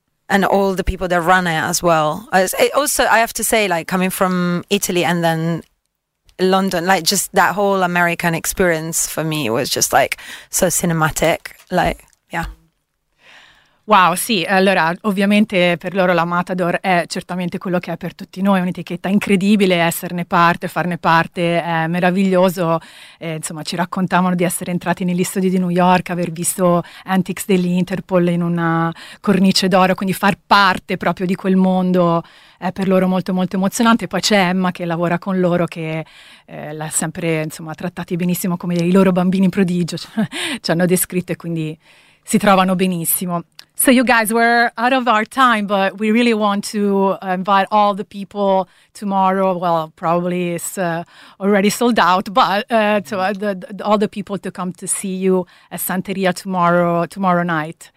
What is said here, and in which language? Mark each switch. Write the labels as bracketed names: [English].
[English] And all the people that run it as well. I have to say, like, coming from Italy and then London, like, just that whole American experience for me was just like so cinematic, like, [Italian] Wow, sì, allora ovviamente per loro la Matador è certamente quello che è per tutti noi, un'etichetta incredibile, esserne parte, farne parte è meraviglioso. Insomma, ci raccontavano di essere entrati negli studi di New York, aver visto Antics dell'Interpol in una cornice d'oro, quindi far parte proprio di quel mondo è per loro molto molto emozionante. Poi c'è Emma che lavora con loro, che l'ha sempre, insomma, trattati benissimo come i loro bambini prodigio, ci hanno descritto, e quindi si trovano benissimo. [English] So you guys, we're out of our time, but we really want to invite all the people tomorrow. Well, probably it's already sold out, but all the people to come to see you at Santeria tomorrow night.